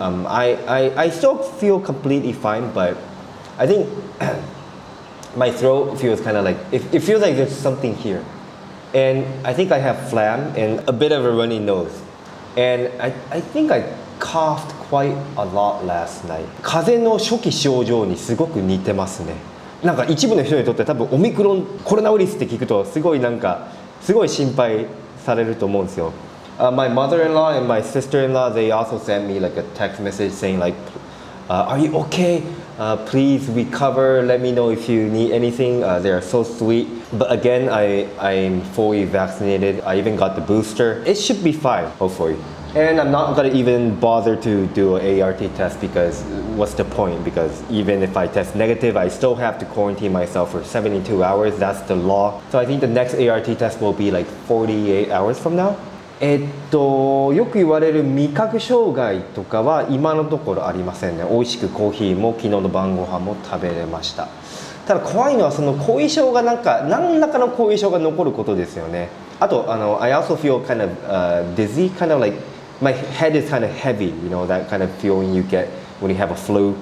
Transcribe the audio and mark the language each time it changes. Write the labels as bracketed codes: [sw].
[en] I still feel completely fine, but I think... My throat feels kind of like, it feels like there's something here. And I think I have phlegm and a bit of a runny nose. And I think I coughed quite a lot last night. [ja] 風邪の初期症状にすごく似てますね。なんか一部の人にとって多分オミクロンコロナウイルスって聞くとすごいなんかすごい心配されると思うんですよ。 [en] My mother-in-law and my sister-in-law, they also sent me like a text message saying like, are you okay? Please recover, let me know if you need anything. They are so sweet. But again, I'm fully vaccinated. I even got the booster. It should be fine, hopefully. And I'm not gonna even bother to do an ART test because what's the point? Because even if I test negative, I still have to quarantine myself for 72 hours. That's the law. So I think the next ART test will be like 48 hours from now. [ja] よく言われる味覚障害とかは今のところありませんね。美味しくコーヒーも昨日の晩ご飯も食べれました。ただ怖いのはその後遺症がなんか何らかの後遺症が残ることですよね。 [en] あとI also feel kind of dizzy, kind of like my head is kind of heavy, you know, that kind of feeling you get when you have a flu.